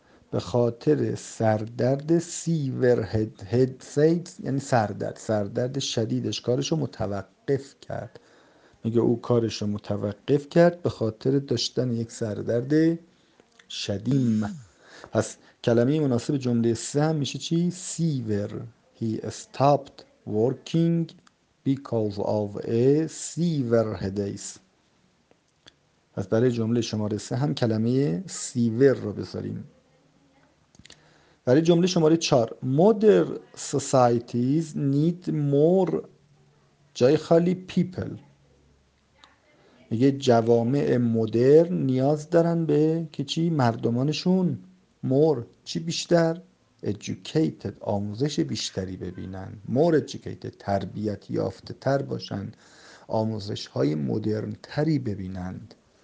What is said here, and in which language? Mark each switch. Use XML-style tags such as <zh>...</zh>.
<fa>به خاطر سردرد سیور هد هد سید، یعنی سردرد شدیدش کارشو متوقف کرد. میگه او کارشو متوقف کرد به خاطر داشتن یک سردرد شدیم. پس کلمه مناسب جمله سه هم میشه چی؟ سیور.</fa> <en>He stopped working because of a sever headache.</en> <fa>پس برای جمله شماره سه هم کلمه سیور رو بذاریم. برای جمله شماره چار،</fa> <en>Modern societies need more</en> <fa>جای خالی</fa> <en>people.</en> <fa>میگه جوامع مدرن نیاز دارن به که چی؟ مردمانشون more چی؟ بیشتر educated، آموزش بیشتری ببینن،</fa> <en>more educated</en> <fa>تربیت یافته تر باشن، آموزش های مدرن تری ببینند.</fa>